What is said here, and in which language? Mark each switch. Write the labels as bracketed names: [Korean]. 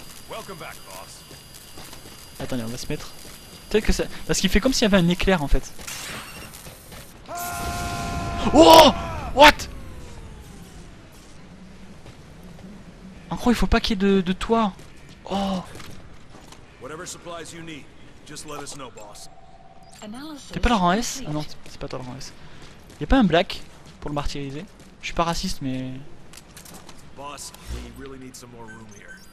[English] Welcome back. [French] Attendez, on va se mettre. Peut-être que ça. Parce qu'il fait comme s'il y avait un éclair en fait. [English] Oh! What? [French] En gros, il faut pas qu'il y ait de toit. Oh! [English] Whatever supplies you need, just let us know, boss. [French] T'es pas Laurent S? Ah non, c'est pas toi Laurent S. Y'a pas un black pour le martyriser? Je suis pas raciste, mais. [English] Boss, we really need some more room here.